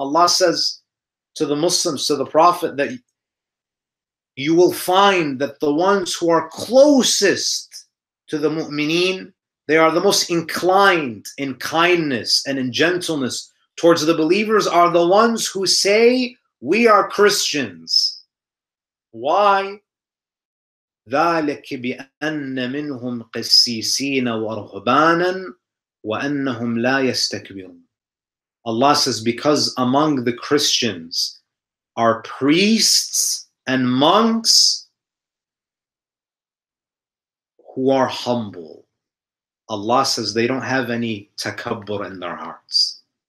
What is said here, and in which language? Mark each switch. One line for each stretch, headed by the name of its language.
English: Allah says to the Muslims, to the Prophet, that you will find that the ones who are closest to the mu'mineen, they are the most inclined in kindness and in gentleness towards the believers, are the ones who say, we are Christians. Why?
Arabic: ذلك بأن منهم قسيسين ورهبانا وأنهم لا يستكبرون.
English: Allah says, because among the Christians are priests and monks who are humble. Allah says they don't have any takabbur in their hearts.